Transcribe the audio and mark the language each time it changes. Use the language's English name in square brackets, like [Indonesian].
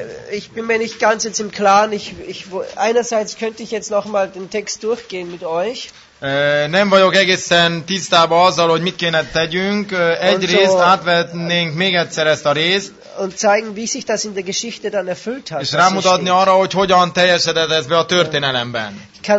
[German] Ich bin mir nicht ganz jetzt im Klaren. Einerseits könnte ich jetzt noch mal den Text durchgehen mit euch. [Hungarian] Nem vagyok egészen tisztában azzal, hogy mit kéne tegyünk. Egy részt átvetnénk még egyszer ezt a részt. [German] Und zeigen, wie sich das in der Geschichte dann erfüllt hat. [Hungarian] És rámutatni arra, hogy hogyan teljesedett ez be a történelemben.